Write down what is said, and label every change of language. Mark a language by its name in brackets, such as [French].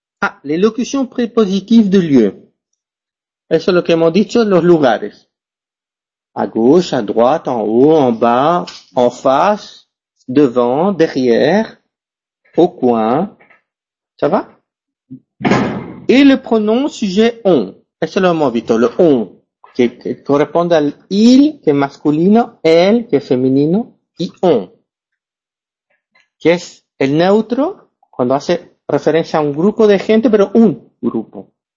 [French] Ah, les locutions prépositives de lieu. [Spanish] Eso es lo que hemos dicho, los lugares. [French] A gauche, à droite, en haut, en bas, en face, devant, derrière, au coin. ¿Ça va? Et le pronom sujet on. [Spanish] Eso es lo que hemos visto, le on. Que corresponde al il, que es masculino, él, que es femenino, y on. Que es el neutro, cuando hace referencia a un grupo de gente, pero un grupo.